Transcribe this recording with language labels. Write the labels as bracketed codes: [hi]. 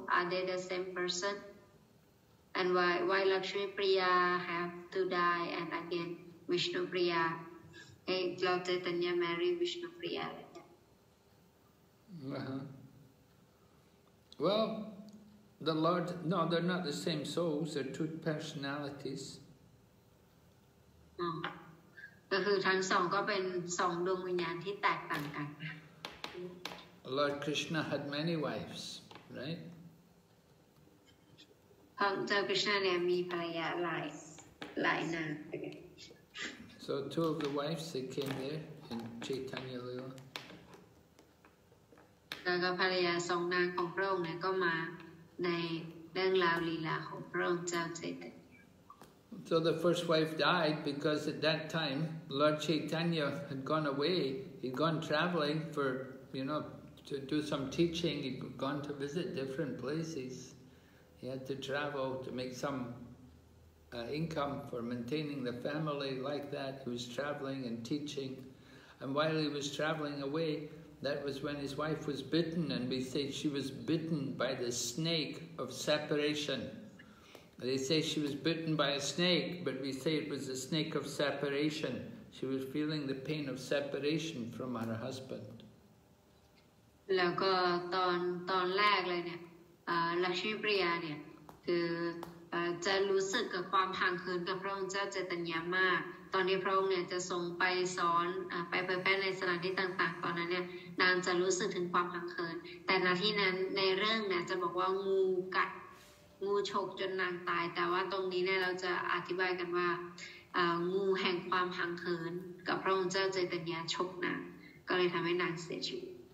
[en] Are they the same person? And why Lakshmi Priya have to die and again Vishnu Priya? Hey, Lord Chaitanya marry Vishnu Priya. Uh-huh. Well, the Lord, no, they're not the same souls, they're two personalities. [th] ก็คือทั้งสองก็เป็นสองดวงวิญญาณที่แตกต่างกัน [en] Lord Krishna had many wives, right? [th] พระเจ้าคริสต์เนี่ยมีภรรยาหลายนาง [en] So two of the wives that came there in Chaitanya Lila. [th] แล้วก็ภรรยาสองนางของพระองค์เนี่ยก็มาในเรื่องราวลีลาของพระองค์เจ้าชัยตัน [en] So the first wife died because at that time Lord Chaitanya had gone away. He'd gone traveling for, you know, to do some teaching. He'd gone to visit different places. He had to travel to make some income for maintaining the family like that. He was traveling and teaching. And while he was traveling away, that was when his wife was bitten. And we say she was bitten by the snake of separation. They say she was bitten by a snake, but we say it was a snake of separation. She was feeling the pain of separation from her husband. [th] แล้วก็ตอนแรกเลยเนี่ยลักษมีปริยาเนี่ยคือจะรู้สึกกับความห่างเหินกับพระองค์เจ้าเจตัญญามากตอนที่พระองค์เนี่ยจะทรงไปสอนไปเผยแผ่ในสถานที่ต่างๆตอนนั้นเนี่ยนางจะรู้สึกถึงความห่างเหินแต่ณที่นั้นในเรื่องเนี่ยจะบอกว่างูกัดงูฉกจนนางตายแต่ว่าตรงนี้เนี่ยเราจะอธิบายกันว่างูแห่งความหังเหินกับพระองค์เจ้าเจตัญญาฉกนางก็เลยทำให้นางเสียชีวิต